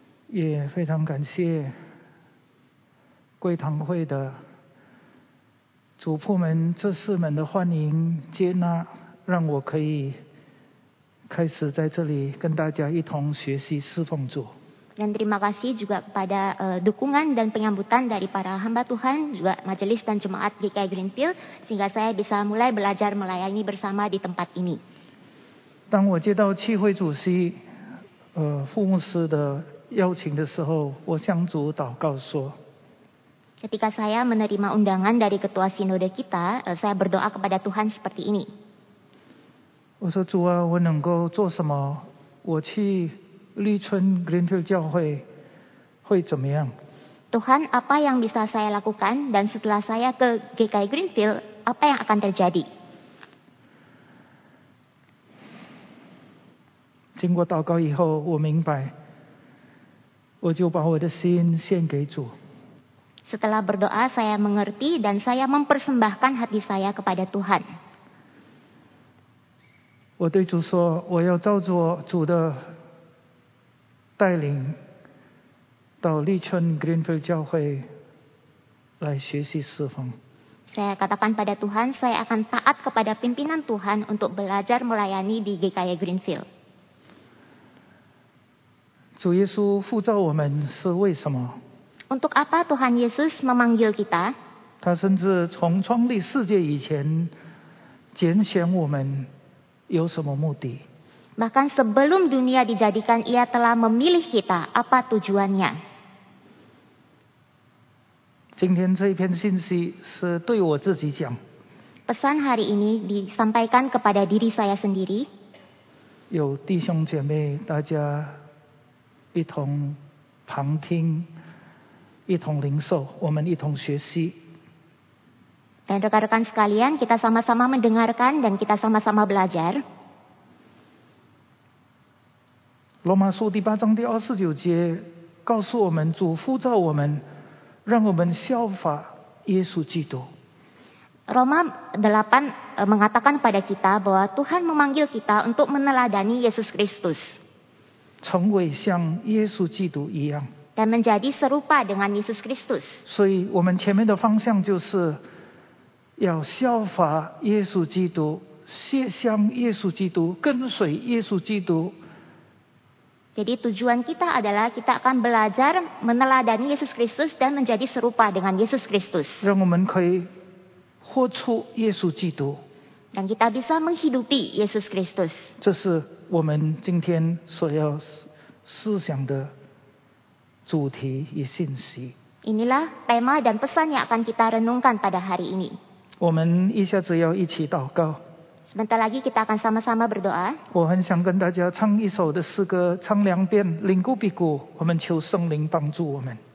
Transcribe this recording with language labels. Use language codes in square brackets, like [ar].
[zh] 也非常感谢贵堂会的主仆们、执事们的欢迎、接纳，让我可以开始在这里跟大家一同学习侍奉主。 [id] Dan terima kasih juga kepada dukungan dan penyambutan dari para hamba Tuhan, juga majelis dan jemaat GKI Greenfield, sehingga saya bisa mulai belajar melayani bersama di tempat ini. [zh] 当我接到契会主席、副牧师的邀请的时候，我向主祷告说。 [id] Ketika saya menerima undangan dari ketua sinode kita, saya berdoa kepada Tuhan seperti ini. [zh] 我说主啊，我能够做什么？我去立春 Greenfield 教会会怎么样？ [id] Tuhan, apa yang bisa saya lakukan dan setelah saya ke GKI Greenfield, apa yang akan terjadi? [zh] 经过祷告以后，我明白，我就把我的心献给主。 [id] Setelah berdoa, saya mengerti dan saya mempersembahkan hati saya kepada Tuhan. [zh] 我对主说，我要照着主的带领到立春 Greenfield 教会来学习侍奉。 [id] Saya katakan pada Tuhan, saya akan taat kepada pimpinan Tuhan untuk belajar melayani di GKI Greenfield. [zh] 主耶稣呼召我们是为什么？ [id] Untuk apa Tuhan Yesus memanggil kita? [zh] 他甚至从创立世界以前拣选我们有什么目的？ [id] Bahkan sebelum dunia dijadikan, ia telah memilih kita. Apa tujuannya? [zh] 今天这篇信息是对我自己讲。 [id] Pesan hari ini disampaikan kepada diri saya sendiri. [zh] 有弟兄姐妹，大家一同旁听，一同领受，我们一同学习。 [id] Dan rekan-rekan sekalian, kita sama-sama mendengarkan dan kita sama-sama belajar. [zh] 罗马书第八章第二十九节告诉我们，主呼召我们，让我们效法耶稣基督。 [id] Roma 8 mengatakan pada kita bahwa Tuhan memanggil kita untuk meneladani Yesus Kristus. [zh] 成为像耶稣基督一样。 [id] Dan menjadi serupa dengan Yesus Kristus. [zh] 所以我们前面的方向就是要效法耶稣基督，学像耶稣基督，跟随耶稣基督。 [id] Jadi tujuan kita adalah kita akan belajar meneladani Yesus Kristus dan menjadi serupa dengan Yesus Kristus. [zh] 让我们可以活出耶稣基督。 [id] Dan kita bisa menghidupi Yesus Kristus. [zh] 这是我们今天所要思想的主题与信息。 [id] Inilah tema dan pesan yang akan kita renungkan pada hari ini. [zh] 我们一下子要一起祷告。 [id] Sebentar lagi kita akan sama-sama berdoa. [zh] 我很想跟大家唱一首的诗歌，唱两遍，灵固必固，我们求圣灵帮助我们。